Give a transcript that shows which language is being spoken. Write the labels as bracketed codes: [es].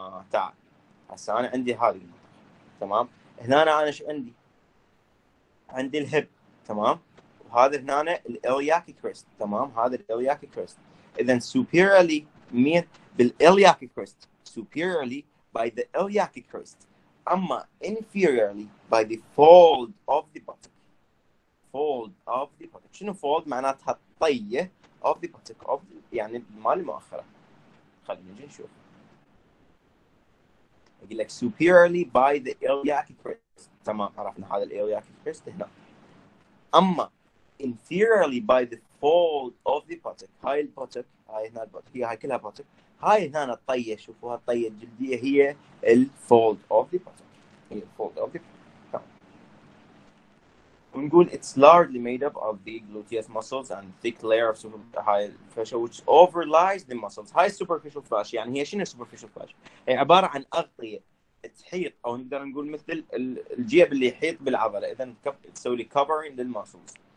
[ar] تعال هسه انا عندي هذه المنطقه، تمام؟ هنا انا شو عندي؟ عندي الهب، تمام؟ وهذا هنا الالياك كريست، تمام؟ هذا الالياك كريست. اذا superiorly مين؟ بالالياك كريست. [en] superiorly by the iliac crest. [ar] اما [en] inferiorly by the fold of the buttock. fold of the buttock. [ar] شنو [en] fold؟ [ar] معناتها الطيه [en] of the buttock of the... [ar] يعني مال المؤخره. خلينا نجي نشوف. يقول لك [en] superiorly by the iliac crest، [ar] تمام عرفنا هذا الالياك كريست هنا. اما [en] inferiorly by the fold of the buttock، [ar] هاي البوتك، هاي هنا البوتك، هي هاي كلها بوتك، هاي هنا الطيه، شوفوها الطيه الجلديه هي الفولد اوف ذا buttock، هي الفولد اوف ذا buttock. ونقول [en] it's largely made up of the gluteus muscles and thick layer of superficial fascia which overlies the muscles. [ar] هاي superficial fascia، يعني هي شنو superficial fascia؟ هي عباره عن اغطيه تحيط، او نقدر نقول مثل الجيب اللي يحيط بالعضله، اذا تسوي لي covering للمسلز.